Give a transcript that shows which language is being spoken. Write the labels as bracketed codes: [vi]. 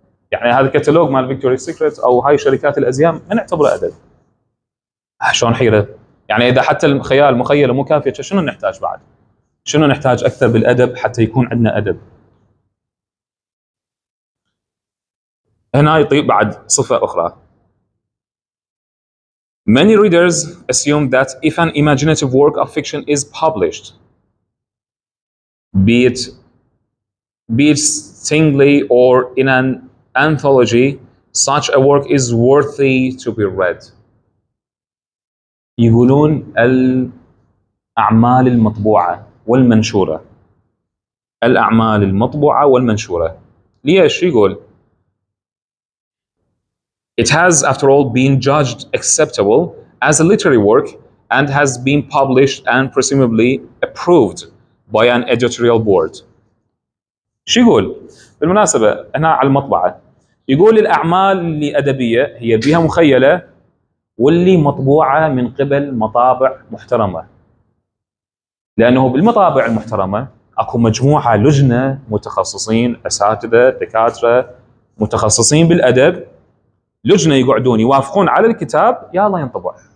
[ar] يعني هذا الكتالوج مال فيكتوري سيكريت او هاي شركات الازياء ما نعتبره ادب. شلون حيره؟ يعني اذا حتى الخيال مخيله مو كافيه شنو نحتاج بعد؟ شنو نحتاج اكثر بالادب حتى يكون عندنا ادب؟ هنا يطيب بعد صفه اخرى. [en] Many readers assume that if an imaginative work of fiction is published, be it singly or in an anthology, such a work is worthy to be read. [ar] يقولون الأعمال المطبوعة والمنشورة، الأعمال المطبوعة والمنشورة ليه 20 جول؟ [en] It has, after all, been judged acceptable as a literary work and has been published and presumably approved by an editorial board. [ar] شو يقول؟ بالمناسبة هنا على المطبعة يقول الأعمال اللي أدبية هي بيها مخيلة واللي مطبوعة من قبل مطابع محترمة. لأنه بالمطابع المحترمة أكو مجموعة لجنة متخصصين أساتذة دكاترة متخصصين بالأدب لجنة يقعدون يوافقون على الكتاب يلا ينطبع.